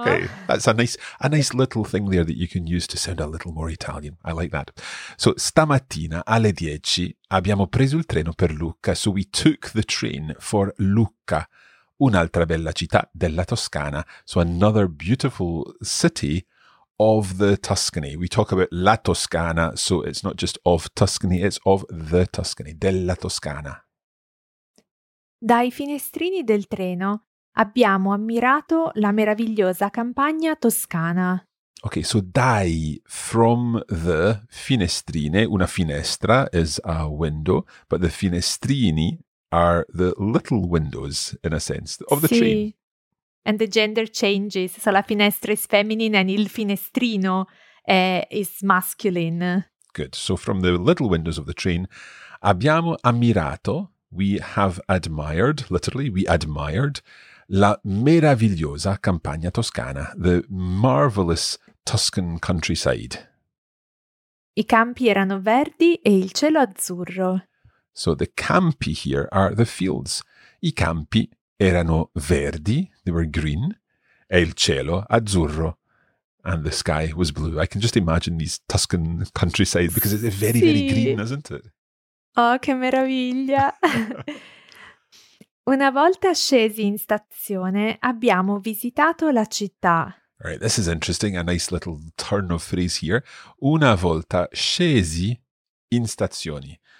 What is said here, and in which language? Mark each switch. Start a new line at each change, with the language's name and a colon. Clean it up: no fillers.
English: Okay, that's a nice little thing there that you can use to sound a little more Italian. I like that.
Italian: So, stamattina alle 10 abbiamo preso il treno per Lucca.
English: So, we took the train for Lucca,
Italian: un'altra bella città della Toscana.
English: So, another beautiful city of the Tuscany. We talk about la Toscana, so it's not just of Tuscany, it's of the Tuscany, della Toscana.
Italian: Dai finestrini del treno abbiamo ammirato la meravigliosa campagna toscana.
English: Okay, so dai, from the finestrine, una finestra is a window, but the finestrini are the little windows, in a sense, of the
Italian: sì.
English: Train. And the gender changes, so la finestra is feminine and il finestrino is masculine. Good, so from the little windows of the train,
Italian: abbiamo ammirato,
English: we have admired, literally, we admired,
Italian: la meravigliosa campagna toscana,
English: the marvelous Tuscan countryside.
Italian: I campi erano verdi e il cielo azzurro.
English: So the campi here are the fields.
Italian: I campi erano verdi,
English: they were green,
Italian: e il cielo azzurro.
English: And the sky was blue. I can just imagine these Tuscan countryside because it's very,
Italian: sì.
English: Very green, isn't it?
Italian: Oh, che meraviglia! Una volta scesi in stazione, abbiamo visitato la città.
English: Right, this is interesting, a nice little turn of phrase here.
Italian: Una volta scesi in stazione.